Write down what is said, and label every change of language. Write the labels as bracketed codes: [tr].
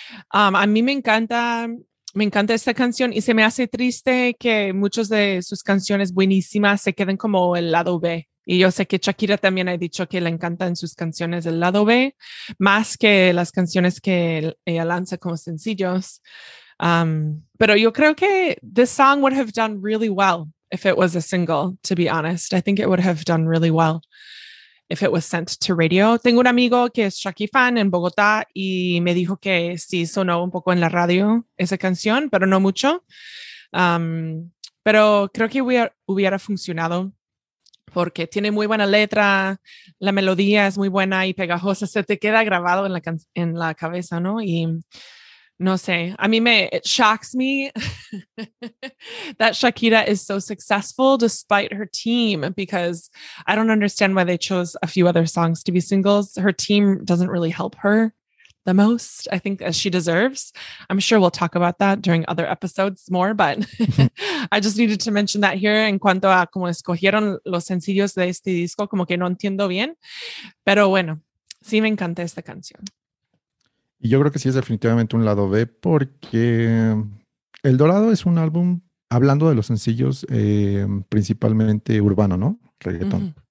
[es] A mí me encanta esta canción y se me hace triste que muchas de sus canciones buenísimas se queden como el lado B. Y yo sé que Shakira también ha dicho que le encantan sus canciones del lado B, más que las canciones que ella lanza como sencillos. Pero yo creo que [en] this song would have done really well if it was a single, to be honest. I think it would have done really well if it was sent to radio. [es] Tengo un amigo que es Shakira fan en Bogotá y me dijo que sí sonó un poco en la radio esa canción, pero no mucho. Pero creo que hubiera funcionado. Porque tiene muy buena letra, la melodía es muy buena y pegajosa, se te queda grabado en la cabeza, ¿no? Y no sé, a mí [en] it shocks me that Shakira is so successful despite her team, because I don't understand why they chose a few other songs to be singles. Her team doesn't really help her the most, I think, as she deserves. I'm sure we'll talk about that during other episodes more, but I just needed to mention that here. [es] En cuanto a cómo escogieron los sencillos de este disco, como que no entiendo bien, pero bueno, sí me encanta esta canción. Y yo creo que sí es definitivamente un lado B, porque El Dorado es un álbum, hablando de los sencillos, principalmente urbano, ¿no? Reggaetón.